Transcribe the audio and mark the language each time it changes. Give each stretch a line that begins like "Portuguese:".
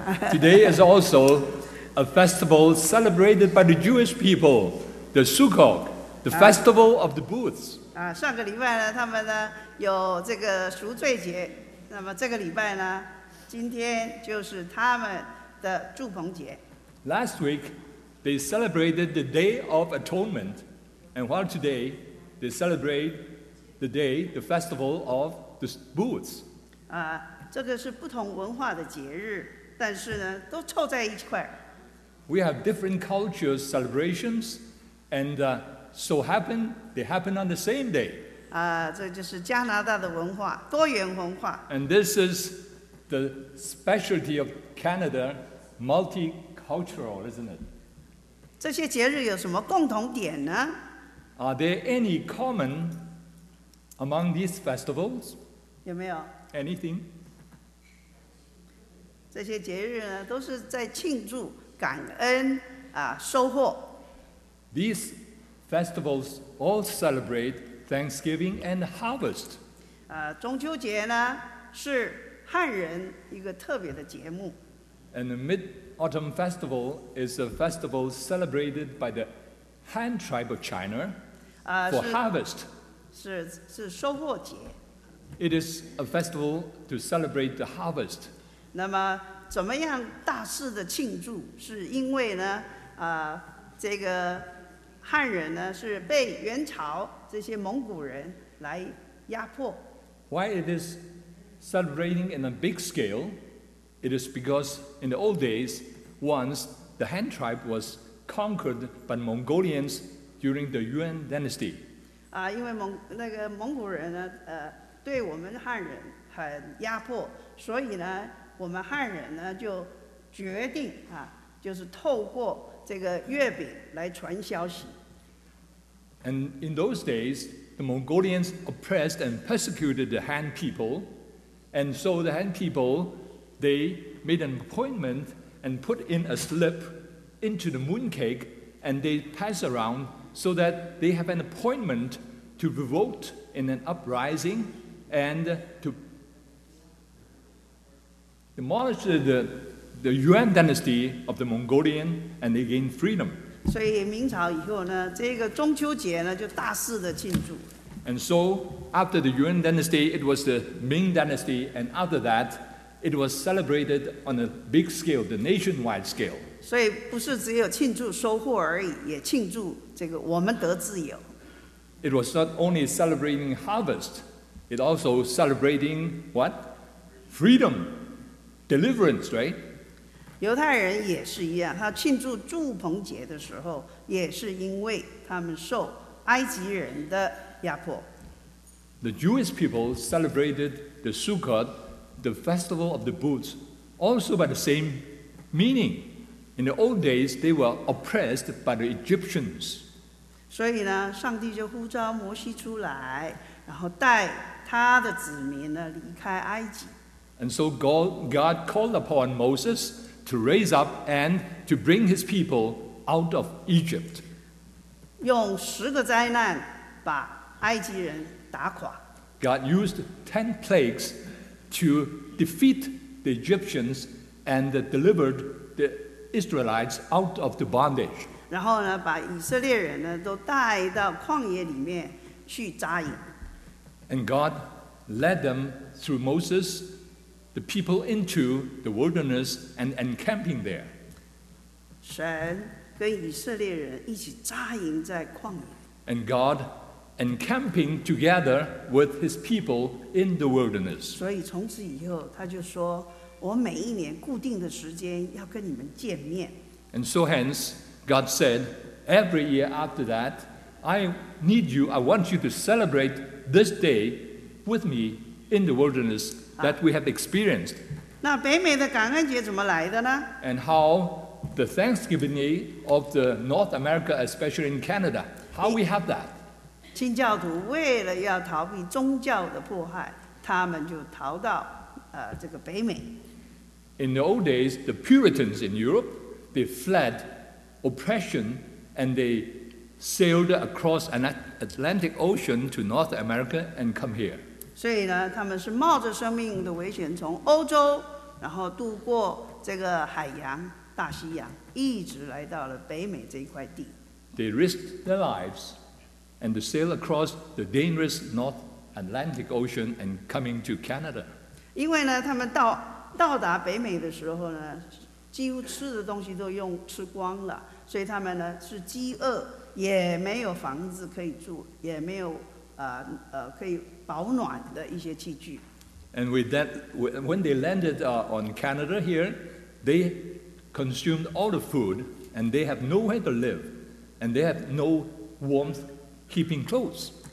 English: Today is also a festival celebrated by the Jewish people, the Sukkot, the festival of the booths.
Chinese: 啊，上个礼拜呢，他们呢有这个赎罪节，那么这个礼拜呢，今天就是他们的祝棚节。
English: Last week, they celebrated the Day of Atonement, and while today, they celebrate the day, the festival of. The booths.
Chinese: 啊，这个是不同文化的节日，但是呢，都凑在一块。
English: We have different cultures celebrations, and so happen they happen on the same day.
Chinese: 啊，这就是加拿大的文化，多元文化。
English: And this is the specialty of Canada, multicultural, isn't it?
Chinese: 这些节日有什么共同点呢？
English: Are there any common? Among these festivals,
Chinese: 有没有
English: anything?
Chinese: 这些节日呢，都是在庆祝感恩啊，收获。
English: These festivals all celebrate Thanksgiving and harvest.
Chinese: 啊，中秋节呢是汉人一个特别的节目。
English: And the Mid-Autumn Festival is a festival celebrated by the Han tribe of China for harvest.
Chinese: 是收获节。
English: It is a festival to celebrate the harvest.
Chinese: 那么怎么样大肆的庆祝？是因为呢，这个汉人呢是被元朝这些蒙古人来压迫。
English: Why it is celebrating in a big scale? It is because in the old days, once the Han tribe was conquered by Mongolians during the Yuan Dynasty.
Chinese: 因为那个蒙古人呢，对我们汉人很压迫，所以呢，我们汉人呢就决定啊，就是透过这个月饼来传消息。
English: And in those days, the Mongolians oppressed and persecuted the Han people, and so the Han people they made an appointment and put in a slip into the mooncake, and they pass around. So that they have an appointment to vote in an uprising and to demolish the Yuan dynasty of the Mongolian and they gain freedom.
Chinese: 所以明朝以后呢，这个中秋节呢就大肆的庆祝。
English: And so after the Yuan dynasty, it was the Ming dynasty, and after that, it was celebrated on a big scale, the nationwide scale.
Chinese: 所以不是只有庆祝收获而已，也庆祝这个我们得自由。
English: It was not only celebrating harvest, it also celebrating what? Freedom, deliverance, right?
Chinese: 犹太人也是一样，他庆祝祝棚节的时候，也是因为他们受埃及人的压迫。
English: The Jewish people celebrated the Sukkot, the festival of the booths, also by the same meaning. In the old days, they were oppressed by the Egyptians.
Chinese: 所以呢，上帝就呼召摩西出来，然后带他的子民呢离开埃及。
English: And so God called upon Moses to raise up and to bring his people out of Egypt.
Chinese: 用十个灾难把埃及人打垮。
English: God used 10 plagues to defeat the Egyptians and delivered the. Israelites out of the bondage.
Chinese: 然后呢，把以色列人呢都带到旷野里面去扎营。
English: And God led them through Moses, the people into the wilderness and encamping there.
Chinese: 神跟以色列人一起扎营在旷野。
English: And God encamping together with His people in the wilderness.
Chinese: 所以从此以后，他就说。我每一年固定的时间要跟你们见面。
English: And so hence, God said, every year after that, I need you, I want you to celebrate this day with me in the wilderness that we have experienced.
Chinese: 那北美的感恩节怎么来的呢？
English: And how the Thanksgiving Day of the North America, especially in Canada, how we have that?
Chinese: 清教徒为了要逃避宗教的迫害，他们就逃到这个北美。
English: In the old days, the Puritans in Europe, they fled oppression and they sailed across an Atlantic Ocean to North America and come here.
Chinese: 所以呢，他们是冒着生命的危险从欧洲，然后渡过这个海洋，大西洋，一直来到了北美这一块地。
English: They risked their lives and to sail across the dangerous North Atlantic Ocean and coming to Canada.
Chinese: 因为呢，他们到达北美的时候呢，几乎吃的东西都用吃光了，所以他们呢是饥饿，也没有房子可以住，也没有可以保暖的一些器具。
English: And with that, when they landed on Canada here, they consumed all the food, and they have nowhere to live, and they have no warmth keeping clothes.